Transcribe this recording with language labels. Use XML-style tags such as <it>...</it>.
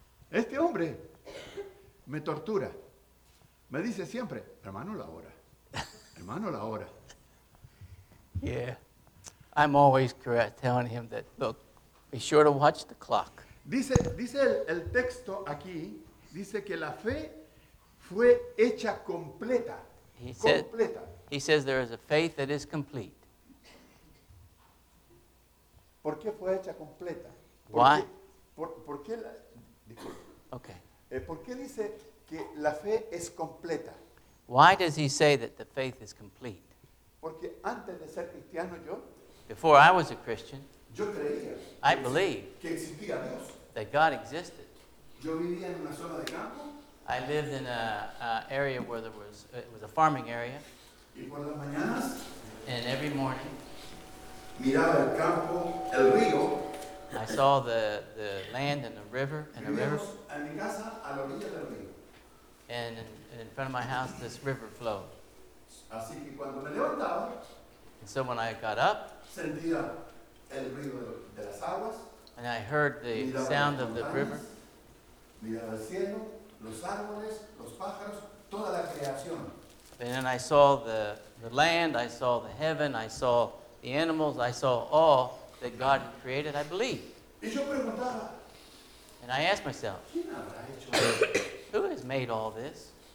<es>Este hombre me tortura. Me dice siempre, hermano, la hora. Hermano, la hora.</es> <en>Yeah. I'm always correct telling him that, look, be sure to watch the clock.</en> <es>Dice el texto aquí, dice que la fe fue hecha completa.</es> <en>He says there is a faith that is complete.</en> <es>¿Por qué fue hecha completa?</es> <en>Why?</en> <es>¿Por qué dice que la fe es completa?</es> <en>Why does he say that the faith is complete?</en> <es>Porque antes de ser cristiano yo,</es> <en>before I was a Christian,</en> <es>yo creía,</es> <en>I believed</en> <es>que existía Dios,</es> <en>that God existed.</en> <es>Yo vivía en una zona de campo.</es> <en>I lived in an area where there was, it was a farming area.</en> <es>Y por las mañanas,</es> <en>and every morning,</en> <es>miraba el campo, el río,</es> <en>I saw the land and the river. And the river.</en> <es>En mi casa, a la orilla del río.</es> <en>And in front of my house, this river flowed.</en> <es>Así que cuando me levantaba,</es> <en>and so when I got up,</en> <es>sentía el río de las aguas,</es> <en>and I heard the sound of the river.</en> <es>Miraba el cielo, los árboles, los pájaros, toda la creación.</es> <en>And then I saw the land, I saw the heaven, I saw the animals, I saw all that God created, I believe.</en> <es>Y yo preguntaba,</es> <en>and I asked myself,</en> <es>¿quién habrá hecho</es> <en>who has made all this?</en>